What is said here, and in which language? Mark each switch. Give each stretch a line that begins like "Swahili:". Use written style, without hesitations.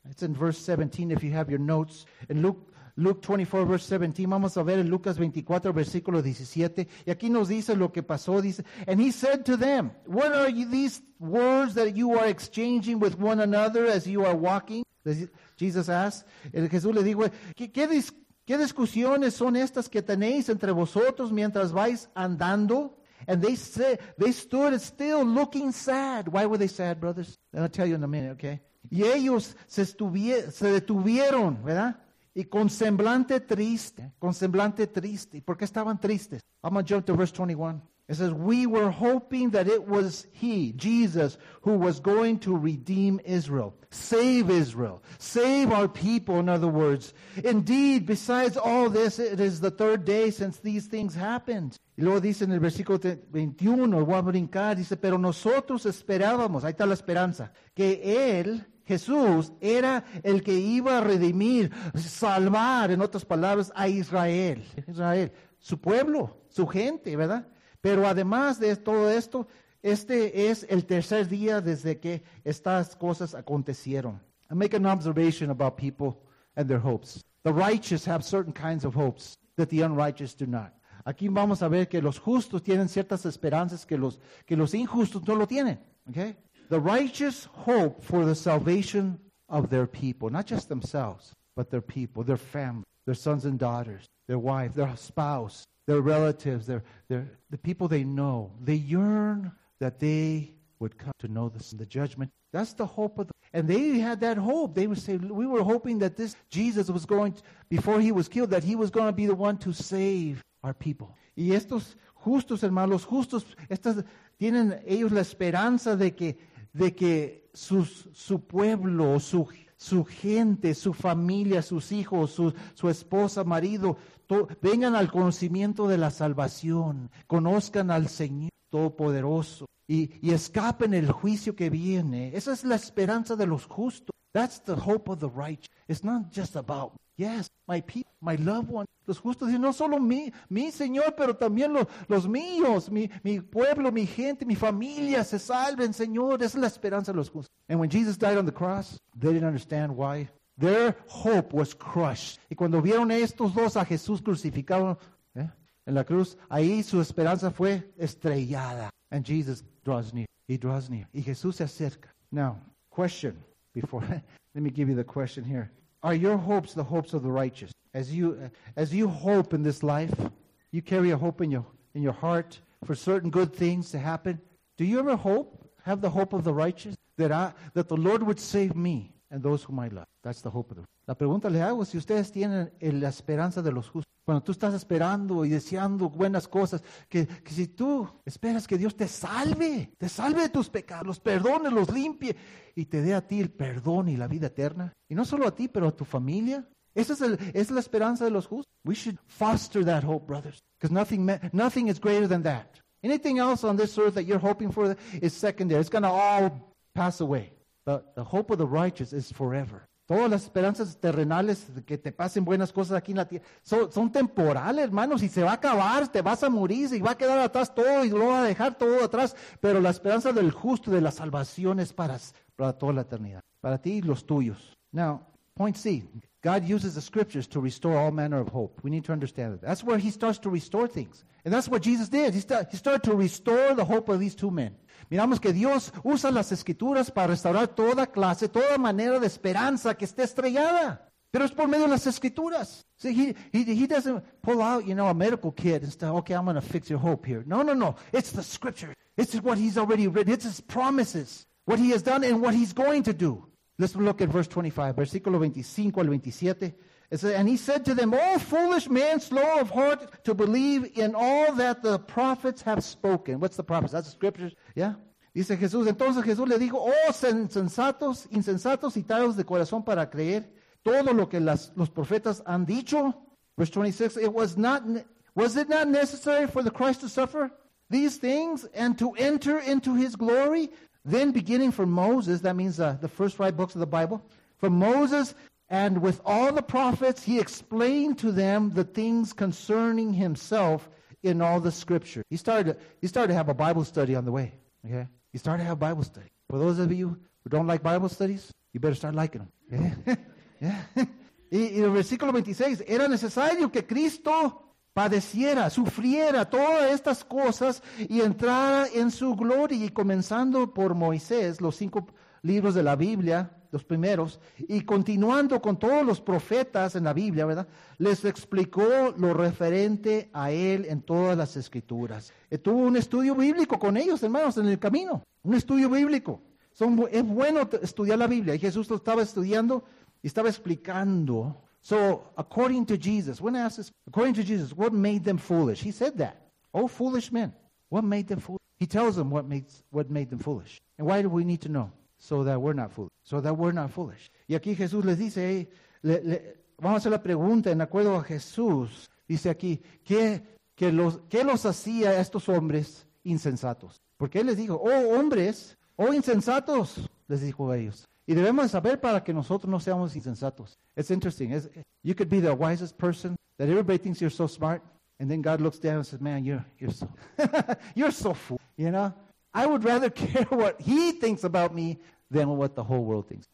English: It's in verse 17 if you have your notes. In Luke 24, verse 17.
Spanish: Vamos a ver en Lucas 24, versículo 17. Y aquí nos dice lo que pasó. Dice,
English: and he said to them, what are these words that you are exchanging with one another as you are walking? Jesus asked.
Spanish: Jesús le dijo, ¿Qué discusiones son estas que tenéis entre vosotros mientras vais andando?
English: And they stood still looking sad. Why were they sad, brothers? I'll tell you in a minute, okay?
Spanish: Y ellos se detuvieron, ¿verdad? Y con semblante triste. ¿Por qué estaban tristes?
English: I'm going to jump to verse 21. It says, we were hoping that it was he, Jesus, who was going to redeem Israel. Save Israel. Save our people, in other words. Indeed, besides all this, it is the third day since these things happened.
Spanish: Y luego dice en el versículo 21, voy a brincar, dice, pero nosotros esperábamos, ahí está la esperanza, que él... Jesús era el que iba a redimir, salvar, en otras palabras, a Israel. Israel, su pueblo, su gente, ¿verdad? Pero además de todo esto, este es el tercer día desde que estas cosas acontecieron.
English: I make an observation about people and their hopes. The righteous have certain kinds of hopes that the unrighteous do not.
Spanish: Aquí vamos a ver que los justos tienen ciertas esperanzas que los injustos no lo tienen. ¿Ok?
English: The righteous hope for the salvation of their people, not just themselves, but their people, their family, their sons and daughters, their wife, their spouse, their relatives, the people they know. They yearn that they would come to know this, the judgment. That's the hope of the... And they had that hope. They would say, we were hoping that this Jesus was going, to, before he was killed, that he was going to be the one to save our people.
Spanish: Y estos justos, hermanos, los justos, estas... Tienen ellos la esperanza de que su pueblo, su gente, su familia, sus hijos, su esposa, marido, vengan al conocimiento de la salvación, conozcan al Señor Todopoderoso y escapen el juicio que viene. Esa es la esperanza de los justos.
English: That's the hope of the righteous. It's not just about, yes, my people, my loved ones.
Spanish: Los justos dicen, no solo mi Señor, pero también los míos, mi pueblo, mi gente, mi familia, se salven, Señor. Esa es la esperanza de los justos.
English: And when Jesus died on the cross, they didn't understand why. Their hope was crushed.
Spanish: Y cuando vieron estos dos a Jesús crucificado en la cruz, ahí su esperanza fue estrellada.
English: And Jesus draws near. He draws near.
Spanish: Y Jesús se acerca.
English: Now, question. Before, let me give you the question here. Are your hopes the hopes of the righteous? As you hope in this life, you carry a hope in your heart for certain good things to happen. Do you ever hope, have the hope of the righteous? That the Lord would save me. and those whom I love. That's the hope of the world.
Spanish: La pregunta le hago, si ustedes tienen la esperanza de los justos. Cuando tú estás esperando y deseando buenas cosas, que si tú esperas que Dios te salve de tus pecados, los perdone, los limpie y te dé a ti el perdón y la vida eterna. Y no solo a ti, pero a tu familia. Esa es, es la esperanza de los justos.
English: We should foster that hope, brothers. Because nothing is greater than that. Anything else on this earth that you're hoping for is secondary. It's going to all pass away. But the hope of the righteous is forever.
Spanish: Todas las esperanzas terrenales de que te pasen buenas cosas aquí en la tierra son temporales, hermanos, y se va a acabar, te vas a morir, y va a quedar atrás todo, y lo va a dejar todo atrás. Pero la esperanza del justo, de la salvación, es para toda la eternidad. Para ti y los tuyos.
English: Now, point C. God uses the scriptures to restore all manner of hope. We need to understand that. That's where he starts to restore things. And that's what Jesus did. He started to restore the hope of these two men.
Spanish: Miramos que Dios usa las escrituras para restaurar toda clase, toda manera de esperanza que esté estrellada. Pero es por medio de las escrituras.
English: See, he doesn't pull out, you know, a medical kit and say, okay, I'm going to fix your hope here. No, no, no. It's the scripture. It's what he's already written. It's his promises. What he has done and what he's going to do. Let's look at verse 25,
Spanish: versículo 25 al 27.
English: It says, and he said to them, oh, foolish men, slow of heart to believe in all that the prophets have spoken. What's the prophets? That's the scriptures. Yeah.
Spanish: Dice Jesús, entonces Jesús le dijo, oh, insensatos, insensatos y tardos de corazón para creer todo lo que los profetas han dicho.
English: Verse 26, was it not necessary for the Christ to suffer these things and to enter into his glory? Then beginning from Moses, that means the first five books of the Bible, from Moses and with all the prophets, he explained to them the things concerning himself in all the scripture. He started to have a Bible study on the way. Okay? He started to have a Bible study. For those of you who don't like Bible studies, you better start liking them. Okay? Yeah.
Spanish: Y el versículo 26, era necesario que Cristo padeciera, sufriera todas estas cosas y entrara en su gloria. Y comenzando por Moisés, los cinco libros de la Biblia, los primeros, y continuando con todos los profetas en la Biblia, ¿verdad? Les explicó lo referente a él en todas las escrituras. Tuvo un estudio bíblico con ellos, hermanos, en el camino. Un estudio bíblico. Es bueno estudiar la Biblia. Y Jesús lo estaba estudiando y estaba explicando.
English: So, according to Jesus, when I asked this, according to Jesus, what made them foolish? He said that. Oh, foolish men. What made them foolish? He tells them what made them foolish. And why do we need to know? So that we're not foolish. So that we're not foolish.
Spanish: Y aquí Jesús les dice, hey, vamos a hacer la pregunta, en acuerdo a Jesús, dice aquí, ¿qué los hacía a estos hombres insensatos? Porque él les dijo, oh, hombres, oh, insensatos, les dijo a ellos. Y debemos saber para que nosotros no seamos insensatos.
English: It's interesting. You could be the wisest person that everybody thinks you're so smart, and then God looks down and says, man, you're so you're so fool. You know? I would rather care what he thinks about me than what the whole world thinks.